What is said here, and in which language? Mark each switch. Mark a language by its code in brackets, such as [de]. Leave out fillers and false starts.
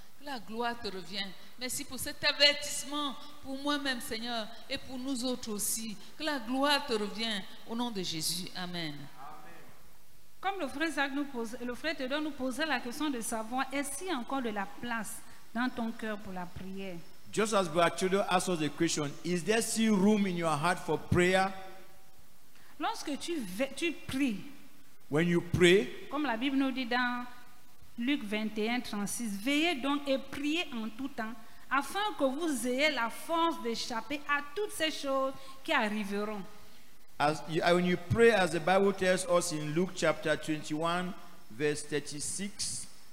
[fr] La gloire te revient. Merci pour cet avertissement pour moi-même, Seigneur, et pour nous autres aussi. Que la gloire te revient au nom de Jésus. Amen. Amen. Comme le frère Zach nous pose, le frère Tedon nous posait la question de savoir est-ce encore de la place dans ton cœur pour la prière. [en] Just as Brother Tedon asked us the question, is there still room in your heart for prayer? [fr] Lorsque tu pries. [en] When you pray. [fr] Comme la Bible nous dit dans Luc 21, 36. Veillez donc et priez en tout temps, afin que vous ayez la force d'échapper à toutes ces choses qui arriveront. [en] When you pray, as the Bible tells us in Luke chapter 21, verse 36.